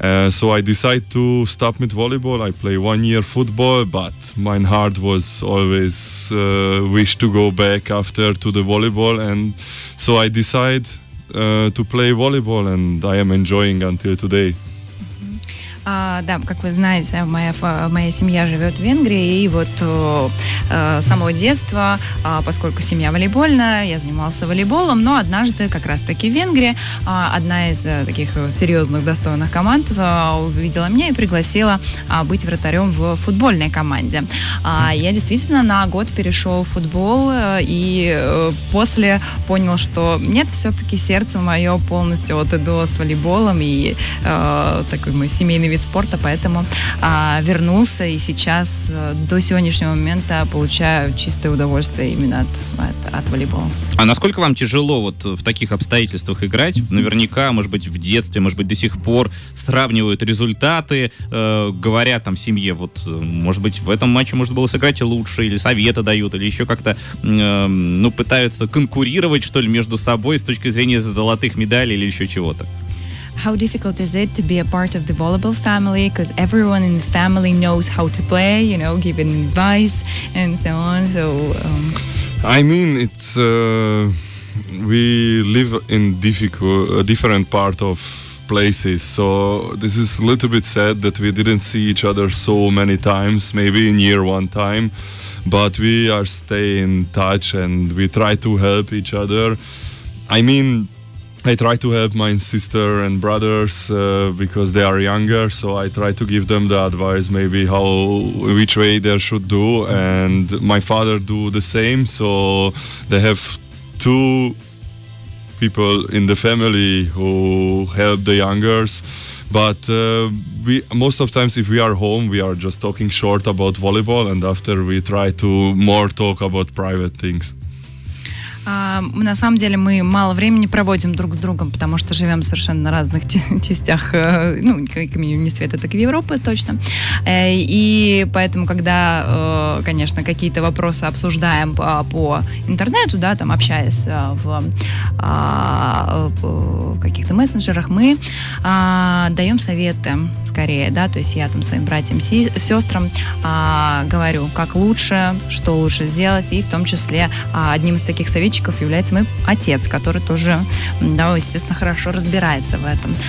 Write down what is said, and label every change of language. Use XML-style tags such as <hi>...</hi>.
<en>So I decided to stop with volleyball. I play 1 year football, but my heart was always wish to go back after to the volleyball. And so I decide to play volleyball, and I am enjoying until today.</en> <ru>Да, как вы знаете, моя семья живет в Венгрии, и вот с самого детства, поскольку семья волейбольная, я занимался волейболом, но однажды как раз-таки в Венгрии одна из таких серьезных достойных команд увидела меня и пригласила быть вратарем в футбольной команде. Я действительно на год перешел в футбол, и после понял, что нет, все-таки сердце мое полностью от и до с волейболом, и такой мой семейный вид спорта, поэтому вернулся и сейчас до сегодняшнего момента получаю чистое удовольствие именно от волейбола. А насколько вам тяжело вот в таких обстоятельствах играть? Наверняка, может быть, в детстве, может быть, до сих пор сравнивают результаты, говорят там семье, вот, может быть, в этом матче можно было сыграть лучше, или советы дают, или еще как-то пытаются конкурировать, что ли, между собой с точки зрения золотых медалей или еще чего-то.</ru> <en>How difficult is it to be a part of the volleyball family? Because everyone in the family knows how to play, you know, giving advice and so on. So, I mean, it's we live in different part of places. So this is a little bit sad that we didn't see each other so many times. Maybe in year one time, but we are stay in touch and we try to help each other. I mean, I try to help my sister and brothers because they are younger, so I try to give them the advice maybe which way they should do, and my father do the same, so they have two people in the family who help the youngers. But we most of times if we are home, we are just talking short about volleyball, and after we try to more talk about private things.</en> <ru>На самом деле мы мало времени проводим друг с другом, потому что живем совершенно на разных частях, ну, как минимум не света, так и Европы точно. И поэтому, когда, конечно, какие-то вопросы обсуждаем по интернету, да, там общаясь в каких-то мессенджерах, мы даем советы скорее, да, то есть я там своим братьям, сестрам говорю, как лучше, что лучше сделать, и в том числе одним из таких советчиков является мой отец, который тоже, да, естественно, хорошо разбирается в этом.</ru>